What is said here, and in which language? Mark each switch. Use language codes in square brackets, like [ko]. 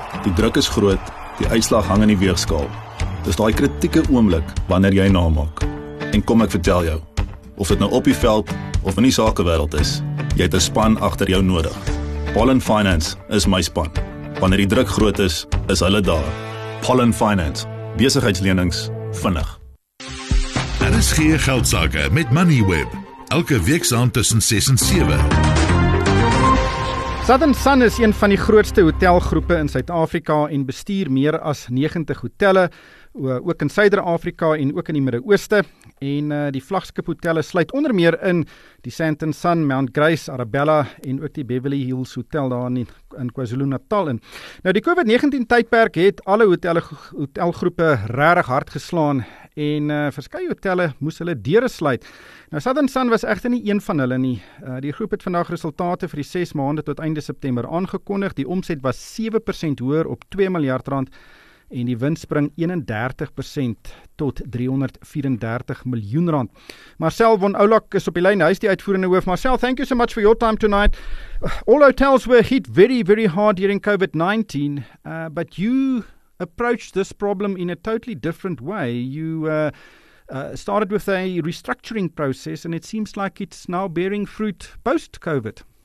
[af] Die druk is groot, die uitslag hang in die weegskaal. Dis die kritieke oomblik wanneer jy naam maak. En kom ek vertel jou, of dit nou op die veld of in die sakewereld is, jy het 'n span agter jou nodig. Pollen Finance is my span. Wanneer die druk groot is, is hulle daar. Pollen Finance, besigheidslenings vinnig. Daar is geen geldsaake met Moneyweb. Elke week saam tussen 6 en 7. Southern Sun is een van die grootste hotelgroepe in Suid-Afrika en bestuur meer as 90 hotelle, ook in Suider-Afrika en ook in die Midde-Ooste. En die vlaggenskap hotelle sluit onder meer in die Sandton Sun, Mount Grace, Arabella en ook die Beverly Hills Hotel daar in KwaZulu-Natal in. Nou die COVID-19 tydperk het alle hotelgroepe regtig hard geslaan en verskeie hotelle moes hulle deure sluit. Nou Southern Sun was egter nie een van hulle nie. Die groep het vandag resultate vir die 6 maande tot einde September aangekondig. Die omset was 7% hoër op R2 miljard en die wins spring 31% tot R334 miljoen. Marcel von Oulak is op die lyn. Hy is die uitvoerende hoof. [en] Marcel, thank you so much for your time tonight. All hotels were hit very, very hard during COVID-19, but you approached this problem in a totally different way. You started with a restructuring process, and it seems like it's now bearing fruit post-COVID.